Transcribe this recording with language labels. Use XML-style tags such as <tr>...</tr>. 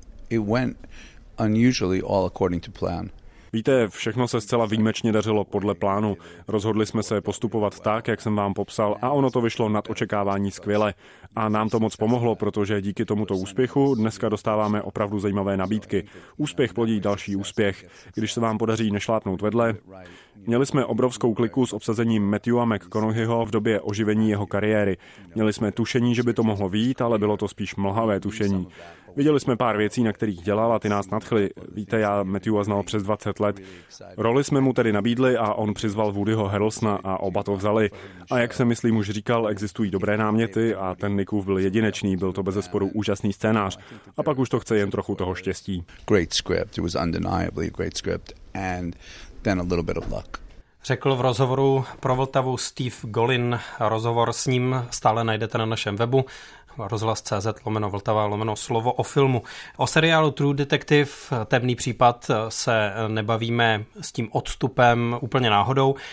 <en>It went unusually all according to plan.</en> <cs>Víte, všechno se zcela výjimečně dařilo podle plánu. Rozhodli jsme se postupovat tak, jak jsem vám popsal, a ono to vyšlo nad očekávání skvěle. A nám to moc pomohlo, protože díky tomuto úspěchu dneska dostáváme opravdu zajímavé nabídky. Úspěch plodí další úspěch. Když se vám podaří nešlápnout vedle. Měli jsme obrovskou kliku s obsazením Matthewa McConaugheyho v době oživení jeho kariéry. Měli jsme tušení, že by to mohlo vyjít, ale bylo to spíš mlhavé tušení. Viděli jsme pár věcí, na kterých dělal, a ty nás nadchly. Víte, já Matthewa znal přes 20 let. Roli jsme mu tedy nabídli a on přizval Woodyho Harrelsona a oba to vzali. A jak jsem myslím už říkal, existují dobré náměty a ten Nickův byl jedinečný, byl to bezesporu úžasný scénář. A pak už to chce jen trochu toho štěstí.</cs> <en>Great script, it was undeniably great script and then a little bit of luck.</en> <cs>Řekl v rozhovoru pro Vltavu Steve Golin. Rozhovor s ním stále najdete na našem webu rozhlas.cz/Vltava/slovo o filmu. O seriálu True Detective, Temný případ, se nebavíme s tím odstupem úplně náhodou.</cs>